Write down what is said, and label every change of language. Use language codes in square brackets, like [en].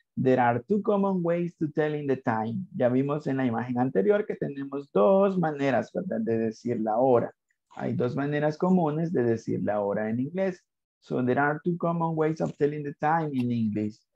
[en] There are two common ways to tell in the time. [es] Ya vimos en la imagen anterior que tenemos dos maneras, ¿verdad?, de decir la hora. Hay dos maneras comunes de decir la hora en inglés. [en] So there are two common ways of telling the time in English.